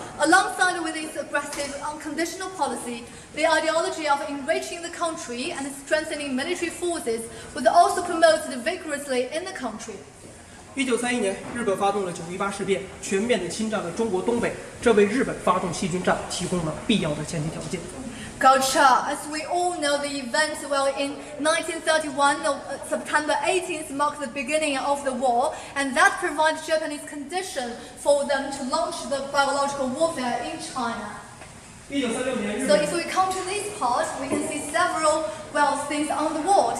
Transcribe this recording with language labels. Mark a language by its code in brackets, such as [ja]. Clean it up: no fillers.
[en] Alongside with its aggressive unconditional policy, the ideology of enriching the country and strengthening military forces was also promoted vigorously in the country. [zh] 1931年，日本发动了九一八事变，全面地侵占了中国东北，这为日本发动细菌战提供了必要的前提条件。 [en] Gotcha. As we all know, the events well in 1931, September 18th marked the beginning of the war, and that provided Japanese condition for them to launch the biological warfare in China. [zh] 1936年，日本。 [en] So if we come to this part, we can see several well things on the wall.